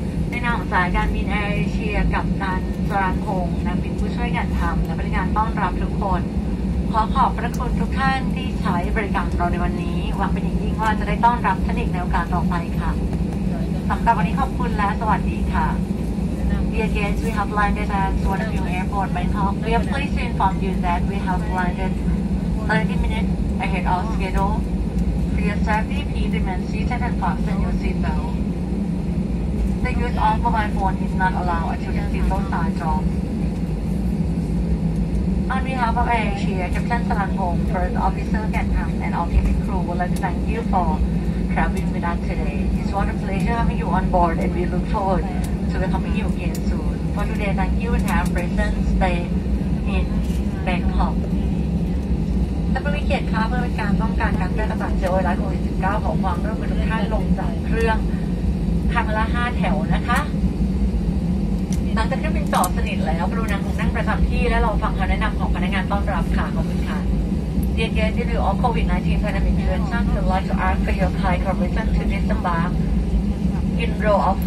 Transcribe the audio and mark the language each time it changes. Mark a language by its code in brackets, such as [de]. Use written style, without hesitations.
[th] ในนามของสายการบินแอร์เอเชียกับนายสรางคงนักบินผู้ช่วยงานทำและพนักงานต้อนรับทุกคนขอขอบพระคุณทุกท่านที่ใช้บริการเราในวันนี้หวังเป็นอย่างยิ่งว่าจะได้ต้อนรับท่านอีกในโอกาสต่อไปค่ะสำหรับวันนี้ขอบคุณและสวัสดีค่ะ [en] Dear guests, we have landed at Suvarnabhumi Airport, Bangkok. We are pleased to inform you that we have landed 30 minutes ahead of schedule. For your safety, please remain seated and fasten your seatbelt. The use of mobile phone is not allowed until the seatbelt sign drops. On behalf of Air Asia, Captain Sarangkong, First Officer Gantham, and all cabin crew, would like to thank you for traveling with us today. It's what a pleasure having you on board, and we look forward to welcoming you again soon. For today, thank you and have a pleasant stay in Bangkok. [th] แต่ไม่มีเกียรติค่ะเพื่อเป็นการป้องกันการแพร่ระบาดเชื้อไวรัสโควิด-19 ขอความร่วมมือทุกท่านลงจากเครื่องทางละ5แถวนะคะหลังจากที่เป็นจอดสนิทแล้วกรุณาคงนั่งประจำที่และรอฟังคำแนะนำของพนักงานต้อนรับค่ะขอบคุณค่ะ [en] Dear guests, due to COVID-19 pandemic restrictions, we'd like to ask for your kind permission to disembark in row of five.